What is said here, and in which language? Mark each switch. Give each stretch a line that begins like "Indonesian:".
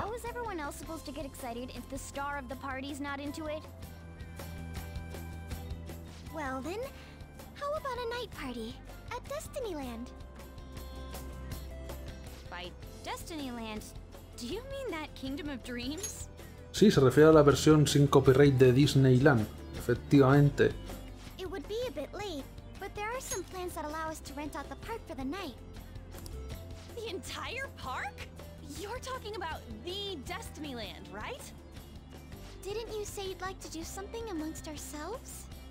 English: How is everyone else supposed to get excited if the star of the party's not into it? Well then, how about a night party at Destiny Land? By Destiny Land, do you mean that Kingdom of Dreams?
Spanish: Sí, se refiere a la versión sin copyright de Disneyland, efectivamente.
English: It would be a bit late, but there are some plans that allow us to rent out the park for the night. The entire park? You're talking about the Destiny Land, right? Didn't you say you'd like to do something amongst ourselves?